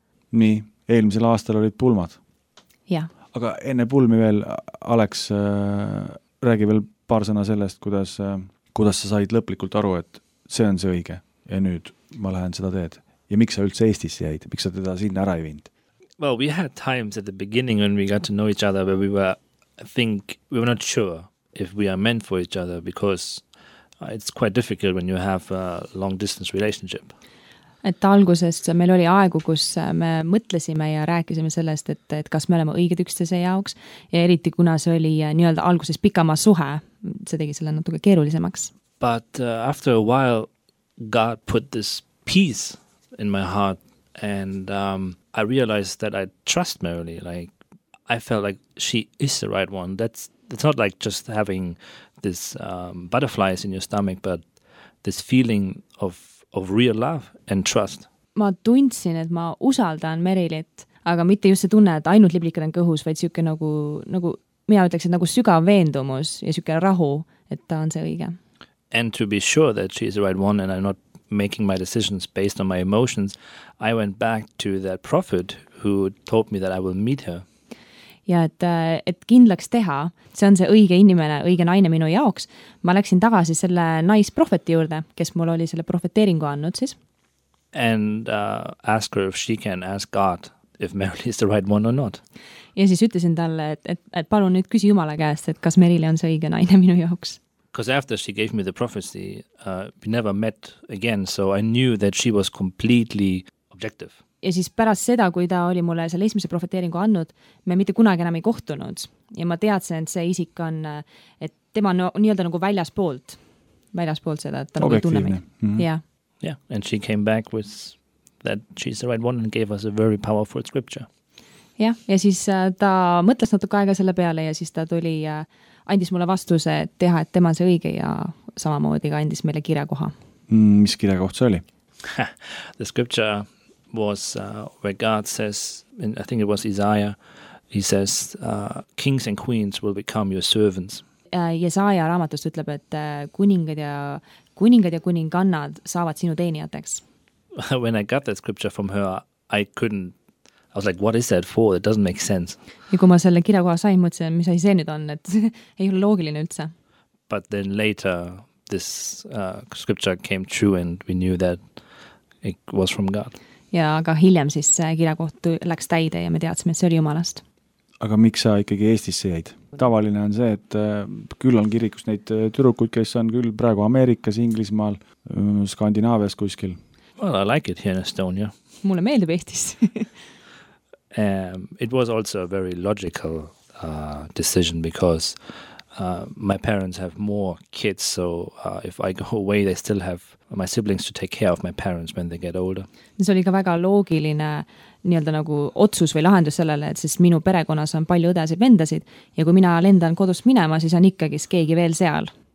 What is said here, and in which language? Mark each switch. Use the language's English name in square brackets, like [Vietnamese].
[Estonian] Nii, eelmisel aastal olid pulmad. Jaa. Aga enne pulmi veel, Alex, räägi veel paar sõna sellest, kuidas, kuidas sa said lõplikult aru, et see on see õige ja nüüd ma lähen seda teed. Ja miks sa üldse Eestisse jäid? Miks sa teda sinna ära ei vind? [English] Well, we had times at the beginning when we got to know each other, but we were, I think, we were not sure if we are meant for each other, because it's quite difficult when you have a long-distance relationship. [Estonian] Et algusest meil oli aegu, kus me mõtlesime ja rääkisime sellest, et, et kas me oleme õiged üksteise jaoks, ja eriti kuna see oli nii-öelda alguses pikama suhe, see tegi selle natuke keerulisemaks. [English] But after a while, God put this peace in my heart, and I realized that I trust Mary. Like, I felt like she is the right one. It's not like just having this butterflies in your stomach, but this feeling of real love and trust. [Estonian] Ma tundsin, et ma usaldan Merilit, aga mitte just see tunne, et ainult liblikad on kõhus, vaid siuke nagu mina ütleks, et nagu sügav veendumus ja siuke rahu, et ta on see õige. [English] And to be sure that she is the right one and I'm not making my decisions based on my emotions, I went back to that prophet who told me that I will meet her. [Estonian] Ja et kindlaks teha, see on see õige inimene, õige naine minu jaoks, ma läksin tagasi selle naisprofeti juurde, kes mul oli selle profeteeringu annud siis. [English] And ask her if she can ask God if Merile is the right one or not. [Estonian] Ja siis ütlesin talle, et palun nüüd küsi Jumala käest, et kas Merile on see õige naine minu jaoks. [English] Because after she gave me the prophecy, we never met again, so I knew that she was completely objective. [Estonian] Ja siis pärast seda, kui ta oli mulle selle esimese profeteeringu annud, me mitte kunagi enam ei kohtunud. Ja ma teadsin, et see isik on, et tema on nii-öelda nagu väljaspoolt seda, et ta nagu tunne meid. [English] Yeah, and she came back with that she's the right one and gave us a very powerful scripture. Yeah. [Estonian] Ja siis ta mõtles natuke aega selle peale ja siis ta tuli ja andis mulle vastuse teha, et tema on see õige ja samamoodi ka andis meile kirjakoha. Mis kirjakoht see oli? [English] The scripture was where God says, and I think it was Isaiah, he says, kings and queens will become your servants. [Estonian] Isaiah raamatust ütleb, et kuningad ja kuningannad saavad sinu teenijateks. [English] When I got that scripture from her, I was like, what is that for? It doesn't make sense. [Estonian] Ja kui ma selle kirjakoha sain, mõtlesin, mis see nüüd on, et ei ole loogiline üldse. [English] But then later, this scripture came true and we knew that it was from God. [Estonian] Ja aga hiljem siis kirjakoht läks täide ja me teadsime, et see oli Jumalast. Aga miks sa ikkagi Eestisse jäid? Tavaline on see, et küll on kirikus neid türukud, kes on küll praegu Ameerikas, Inglismaal, Skandinaavias kuskil. [English] Well, I like it here in Estonia. [Estonian] Mulle meeldib Eestis. [English] it was also a very logical decision because My parents have more kids, so if I go away, they still have my siblings to take care of my parents when they get older. [Estonian] See oli ka väga loogiline nii-öelda nagu otsus või lahendus sellele, et sest minu perekonnas on palju õdesid vendasid ja kui mina lendan kodust minema, siis on ikkagi keegi veel seal.